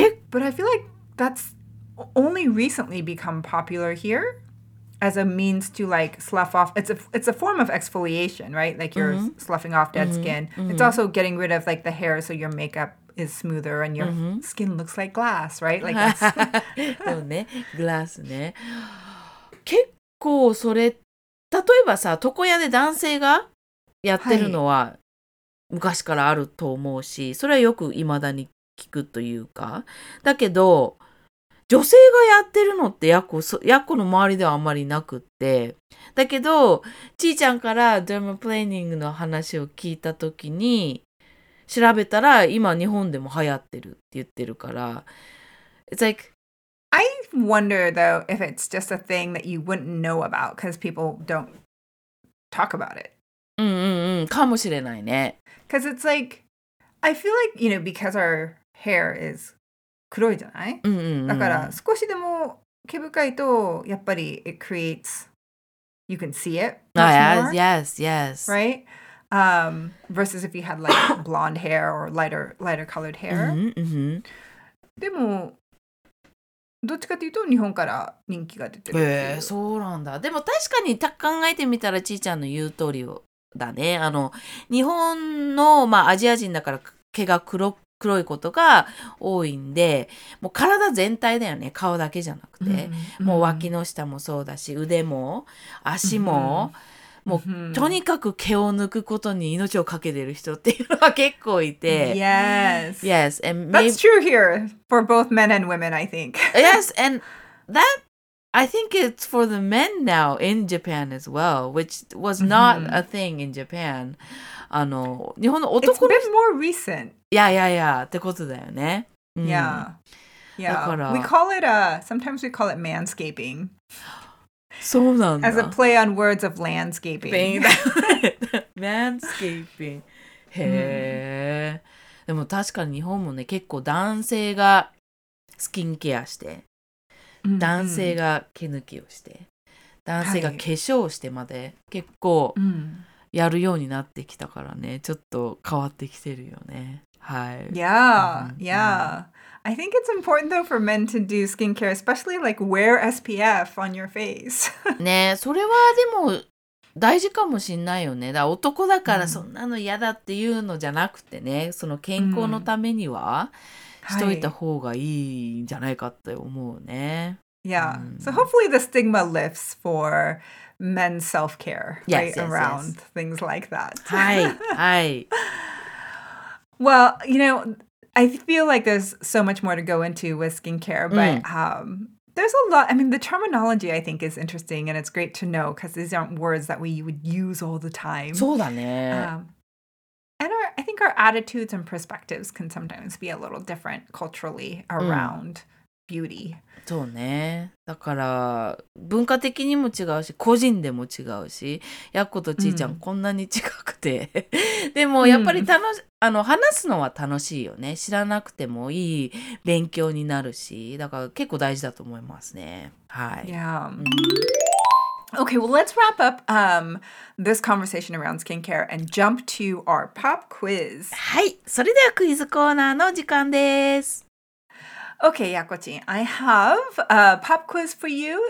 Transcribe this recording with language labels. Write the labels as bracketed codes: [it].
[en] But I feel like that's only recently become popular here. As a means to like slough off, it's a form of exfoliation, right? Like you're、mm-hmm. sloughing off dead、mm-hmm. skin.、Mm-hmm. It's also getting rid of like the hair so your makeup is smoother and your、mm-hmm. skin looks like glass, right? Like [ja] そうね、グラスね。結構それ、例えばさ、床屋で男性がやってるのは昔からあると思うし、それはよく未だに聞くというか。だけど、女性がやってるのってやっこの周りではあんまりなくって、だけどちーちゃんからデーマプレーニングの話を聞いた時に調べたら今日本でも流行ってるって言ってるから、 [en] It's like I wonder though if it's just a thing that you wouldn't know about because people don't talk about it. [ja] うんうんうん、かもしれないね。 [en] Because it's like I feel like you know because our hair is [ja] 黒いじゃない、うんうんうん、だから少しでも毛深いとやっぱり [en] it creates you can see it much more、 oh, yes, yes, yes. Right?、versus if you had like blonde hair or lighter colored hair、 [ja] うんうんうん、でもどっちかというと日本から人気が出てるっていう、そうなんだ。でも確かに考えてみたらちーちゃんの言う通りだね。あの日本の、まあ、アジア人だから毛が黒いことが多いんで、もう体全体だよね、顔だけじゃなくて、うんうん、もう脇の下もそうだし腕も足も、うん、もう、mm-hmm. とにかく毛を抜くことに命をかけてる人っていうのは結構いて。 [en] Yes. Yes. And maybe... That's true here for both men and women, I think. Yes, and that, I think it's for the men now in Japan as well, which was not、mm-hmm. a thing in Japan. [ja] あの、日本の男の [en] 人。It's a bit more recent. Yeah, yeah, yeah. [ja] ってことだよね。 [en] Yeah. Yeah. We call it, sometimes we call it manscaping. [ja] そうなんだ。 [en] As a play on words of landscaping. Manscaping. へえ。 [ja] でも確かに日本もね、結構男性がスキンケアして、男性が毛抜きをして、男性が化粧をしてまで結構やるようになってきたからね、ちょっと変わってきてるよね。はい。 [en] Yeah, yeah. I think it's important though for men to do skincare, especially like wear SPF on your face. [ja] ね、それはでも大事かもしんないよね。だから男だからそんなの嫌だっていうのじゃなくてね、その健康のためにはしといた方がいいんじゃないかって思うね。 [en] Yeah. So hopefully the stigma lifts for men's self-care, right? Yes, yes, around yes. things like that. [ja] はい、はい。 [en] Well, you know,I feel like there's so much more to go into with skincare, but、there's a lot. I mean, the terminology I think is interesting and it's great to know because these aren't words that we would use all the time. [ja] そうだね。 [en] And our, I think our attitudes and perspectives can sometimes be a little different culturally around、beauty. [ja] そうね。だから文化的にも違うし、個人でも違うし、やっことちいちゃん、こんなに近くて。でもやっぱり楽し、あの話すのは楽しいよね。知らなくてもいい勉強になるし、だから結構大事だと思いますね。はい。 [en] Yeah. Okay, well, let's wrap up this conversation around skincare and jump to our pop quiz. [ja] はい。それではクイズコーナーの時間です。 [en] Okay, Yakochin, I have a pop quiz for you.